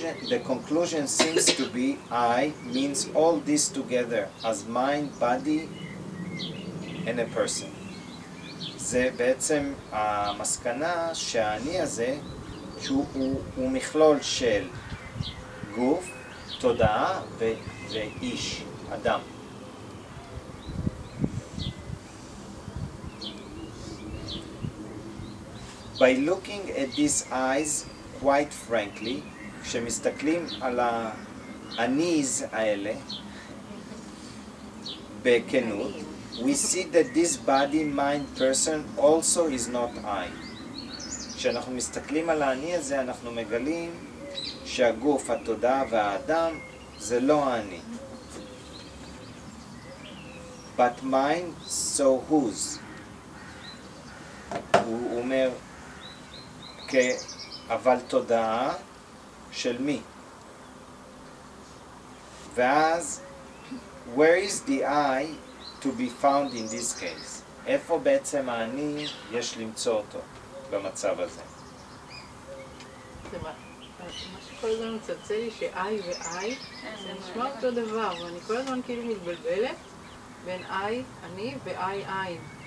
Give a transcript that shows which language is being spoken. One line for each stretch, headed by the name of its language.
English: The conclusion seems to be I means all this together as mind, body and a person.
Hebrew: זה בעצם המסקנה שהאני הזה הוא מכלול של גוף, תודעה ואיש, אדם.
English: By looking at these eyes quite frankly,
Hebrew: כשמסתכלים על האניז האלה בכנות,
English: we see that this body, mind, person also is not I.
Hebrew: כשאנחנו מסתכלים על האני הזה, אנחנו מגלים שהגוף, התודעה והאדם זה לא האני.
English: But mine, so whose?
Hebrew: הוא אומר, אבל תודעה של מי? ואז
English: where is the I to be found in this case?
Hebrew: איפה בעצם אני יש למצוא אותו במצב הזה? מה שכל הזמן מצלצל לי ש-I ו-I, זה נשמע אותו דבר, ואני כל הזמן כאילו מתבלבלת בין I, אני, ו-I, I.